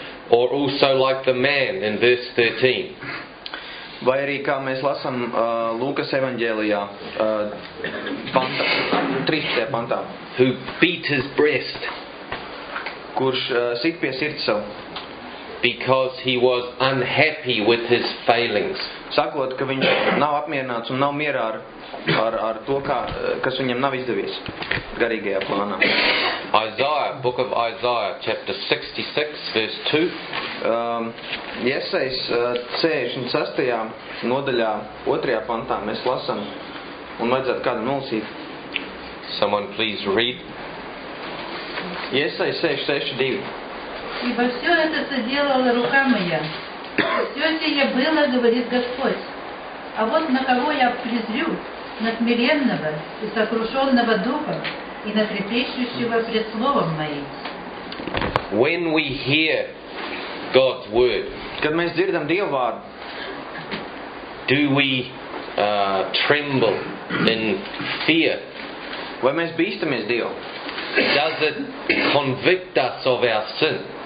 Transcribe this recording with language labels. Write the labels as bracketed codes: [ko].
[en] or also like the man in verse 13, [lv] vai arī kā mēs lasām Lūkas evaņģēlijā panta 13. pantā, [en] who beat his breast, [lv] kurš sit pie sirds savu, [en] because he was unhappy with his failings, [lv] sakot, ka viņš nav apmierināts un nav mierā ar to, kas viņam nav izdevies garīgajā plānā. [en] Isaiah, book of Isaiah, chapter 66, verse 2. [lv] Jesais 66. Nodaļā, 2. Pantā, mēs lasam un vajadzētu kādu nolasīt. [en] Someone please read. [lv] Jesais 66:2. [ru] Ибо все это соделала рука моя, все сие было, говорит Господь. А вот на кого я презрю, на смиренного и сокрушенного духа и на трепещущего пред словом моим. [en] When we hear God's word, [lv] kad mēs dzirdam Dieva vārdu, [en] do we tremble in fear? [lv] Vai mēs bīstamies Dievu? [en] Does it convict us of our sin?